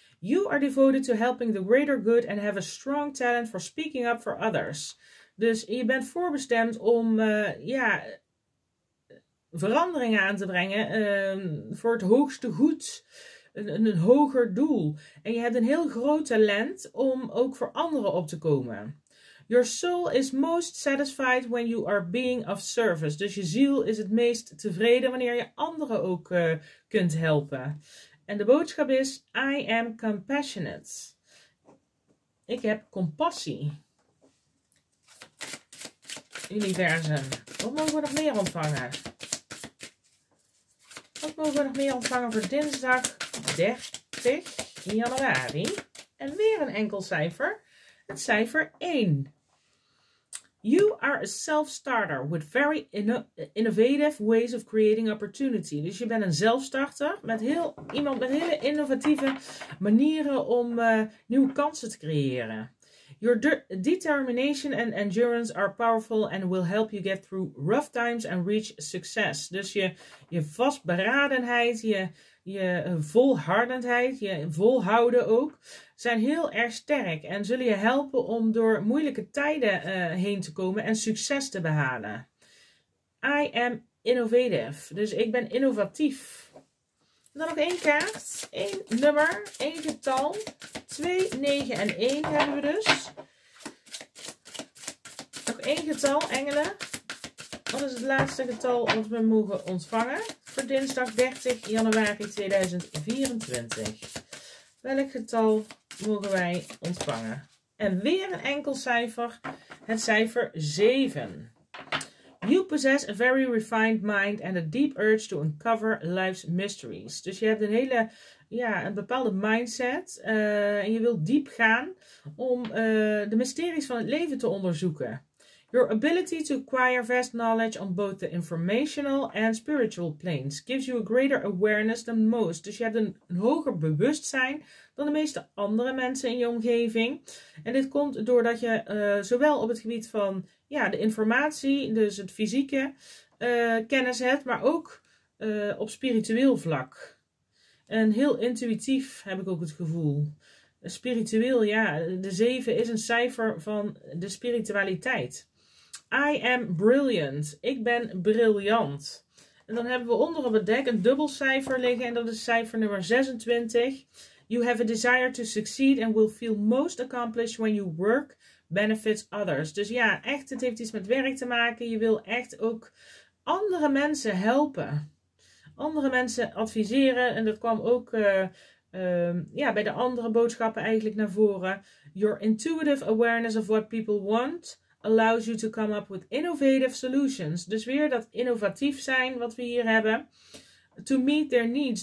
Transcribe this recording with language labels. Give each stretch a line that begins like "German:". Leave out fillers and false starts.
English: You are devoted to helping the greater good and have a strong talent for speaking up for others.
Dutch: Dus je bent voorbestemd om veranderingen aan te brengen voor het hoogste goed, een hoger doel. En je hebt een heel groot talent om ook voor anderen op te komen.
English: Your soul is most satisfied when you are being of service.
Dutch: Dus je ziel is het meest tevreden wanneer je anderen ook kunt helpen. En de boodschap is,
English: I am compassionate.
Dutch: Ik heb compassie. Universum, wat mogen we nog meer ontvangen? Wat mogen we nog meer ontvangen voor dinsdag 30 januari? En weer een enkel cijfer, het cijfer 1.
English: You are a self-starter with very innovative ways of creating opportunity.
Dutch: Dus je bent een zelfstarter met hele innovatieve manieren om nieuwe kansen te creëren.
English: Your determination and endurance are powerful and will help you get through rough times and reach success.
Dutch: Dus je vastberadenheid, je volhardendheid, je volhouden ook, zijn heel erg sterk en zullen je helpen om door moeilijke tijden heen te komen en succes te behalen.
English: I am innovative,
Dutch: dus ik ben innovatief. En dan nog één kaart, één nummer, één getal. 2, 9 en 1 hebben we dus. Nog één getal, engelen. Dat is het laatste getal dat we mogen ontvangen voor dinsdag 30 januari 2024. Welk getal mogen wij ontvangen? En weer een enkel cijfer, het cijfer 7.
English: You possess a very refined mind and a deep urge to uncover life's mysteries.
Dutch: Dus je hebt een hele, een bepaalde mindset. En je wilt diep gaan om de mysteries van het leven te onderzoeken.
English: Your ability to acquire vast knowledge on both the informational and spiritual planes gives you a greater awareness than most.
Dutch: Dus je hebt een hoger bewustzijn dan de meeste andere mensen in je omgeving. En dit komt doordat je zowel op het gebied van de informatie, dus het fysieke kennis hebt, maar ook op spiritueel vlak. En heel intuïtief heb ik ook het gevoel. Spiritueel, de 7 is een cijfer van de spiritualiteit.
English: I am brilliant.
Dutch: Ik ben briljant. En dan hebben we onder op het dek een dubbel cijfer liggen en dat is cijfer nummer 26.
English: You have a desire to succeed and will feel most accomplished when you work benefits others.
Dutch: Dus echt, het heeft iets met werk te maken. Je wil echt ook andere mensen helpen. Andere mensen adviseren. En dat kwam ook bij de andere boodschappen eigenlijk naar voren.
English: Your intuitive awareness of what people want allows you to come up with innovative solutions.
Dutch: Dus weer dat innovatief zijn wat we hier hebben.
English: to meet their needs.